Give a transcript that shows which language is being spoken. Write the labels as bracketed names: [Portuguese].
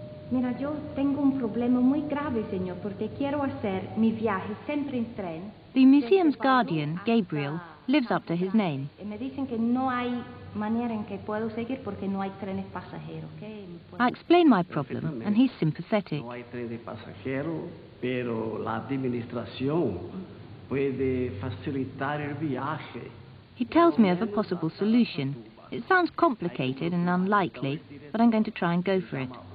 [Spanish] Mira, yo tengo un problema muy grave, señor, porque quiero hacer mi viaje siempre en tren. [English] The museum's guardian, Gabriel, lives up to his name. I explain my problem, and he's sympathetic. [Spanish] No hay tren de pasajeros, pero la administración puede facilitar el viaje. [English] He tells me of a possible solution. It sounds complicated and unlikely, but I'm going to try and go for it.